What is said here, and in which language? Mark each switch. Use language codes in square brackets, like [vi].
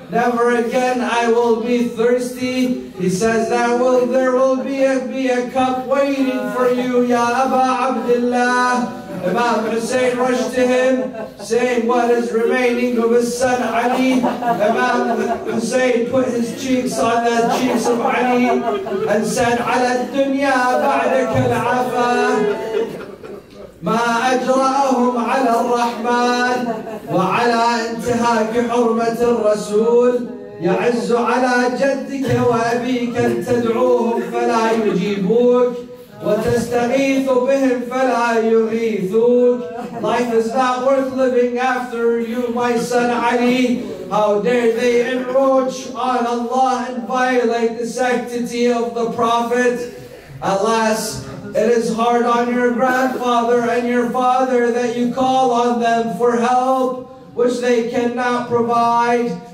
[en] Never again I will be thirsty. He says that there will be a cup waiting for you, Ya Aba Abdullah. Imam Hussein rushed to him, saying, what is remaining of his son Ali? Imam Hussein put his cheeks on the cheeks of Ali and said, [ar] Ala dunya ba'dak al'afa. ما أجرأهم على الرحمن وعلى انتهاك حرمة الرسول يعز على جدك وأبيك أن تدعوهم فلا يجيبوك وتستغيث بهم فلا يغيثوك. [en] Life is not worth living after you, my son Ali. How dare they encroach on Allah and violate the sanctity of the Prophet? Alas, it is hard on your grandfather and your father that you call on them for help, which they cannot provide.